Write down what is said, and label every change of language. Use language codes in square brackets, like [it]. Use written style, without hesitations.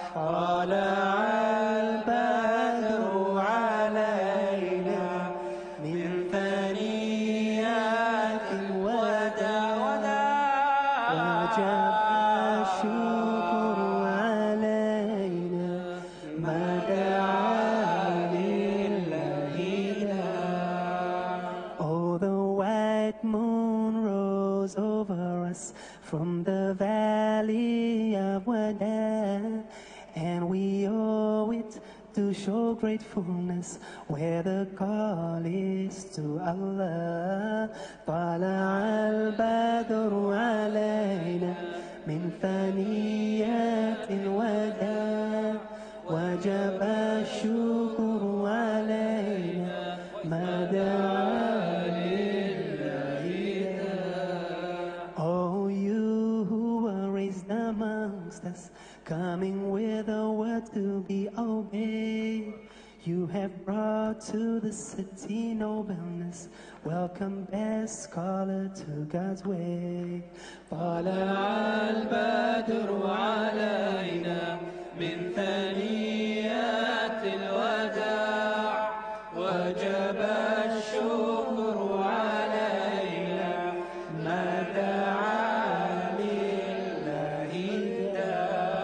[ar] طالع البدر علينا من ثنيات الوداع، وجب الشكر علينا ما دعا لله داع. [en] Oh, the white moon rose over us from the valley of Wada, and we owe it to show gratefulness where the call is to Allah. [ar] طالع البدر علينا من ثنيات الوداع، وجب الشكر علينا ما دعا لله داع. [en] Oh, you who were raised amongst us, coming with a word to be obeyed, you have brought to the city nobleness, welcome best scholar to God's way. [ar] طالع البدر علينا من ثنيات الوداع، وجب الشكر علينا ما دعا لله داع.